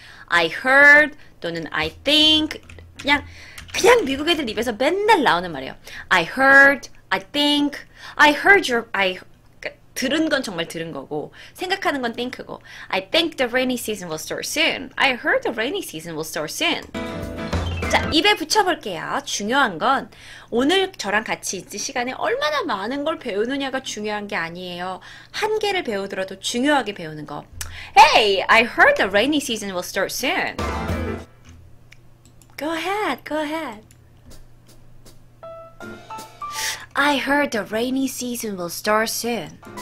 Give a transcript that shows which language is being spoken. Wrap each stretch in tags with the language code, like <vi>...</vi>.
<en>I heard</en> <ko>또는</ko> <en>I think</en> <ko>그냥 미국 애들 입에서 맨날 나오는 말이에요.</ko> <en>I heard, I think, I heard your, I</en> <ko>들은 건 정말 들은 거고 생각하는 건</ko> <en>think고. I think the rainy season will start soon. I heard the rainy season will start soon.</en> <ko>자, 입에 붙여볼게요. 중요한 건 오늘 저랑 같이 있을 시간에 얼마나 많은 걸 배우느냐가 중요한 게 아니에요. 한 개를 배우더라도 중요하게 배우는 거.</ko> <en>Hey, I heard the rainy season will start soon. Go ahead, go ahead. I heard the rainy season will start soon.</en>